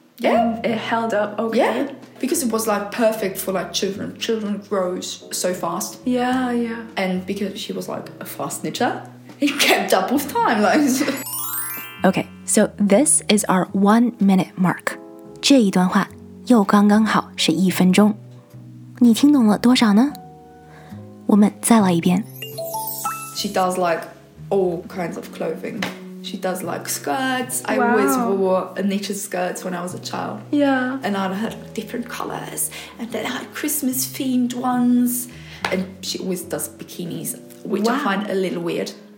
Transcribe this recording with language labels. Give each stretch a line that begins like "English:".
English: Yeah. And it held up okay? Yeah. Because it was like perfect for like children. Children grow so fast. Yeah, yeah. And because she was like a fast knitter, it kept up with time. Like. Okay, so this is our 1 minute mark.
Chinese: 这一段话又刚刚好是一分钟。你听懂了多少呢？我们再来一遍。
English: She does like all kinds of clothing. She does like skirts. I always wore knitted skirts when I was a child. Yeah. And I'd had different colors. And then I had Christmas themed ones. And she always does bikinis, which I find a little weird.